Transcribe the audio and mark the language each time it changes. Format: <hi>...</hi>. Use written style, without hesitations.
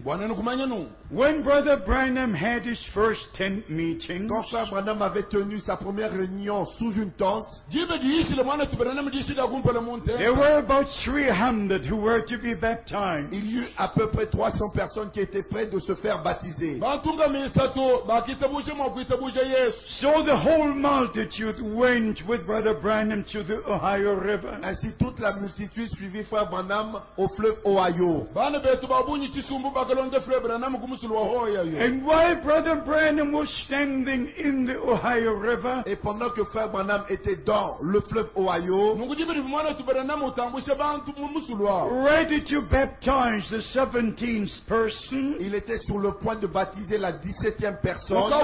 <en>when Brother Branham had his first tent meeting,</en> <fr>Frère Branham avait tenu sa première réunion sous une tente.</fr> <en>There were about 300 who were to be baptized.</en> <fr>Il y eut à peu près 300 personnes qui étaient prêtes de se faire baptiser.</fr> <en>So the whole multitude went with Brother Branham to the Ohio River.</en> <fr>Ainsi toute la multitude suivit Frère Branham au fleuve Ohio. Et</fr> <en>while Brother Branham was standing in the Ohio River,</en> <fr>et pendant que Frère Branham était dans le fleuve Ohio,</fr> <en>ready to baptize the 17th person,</en> <fr>il était sur le point de baptiser la 17e personne.</fr>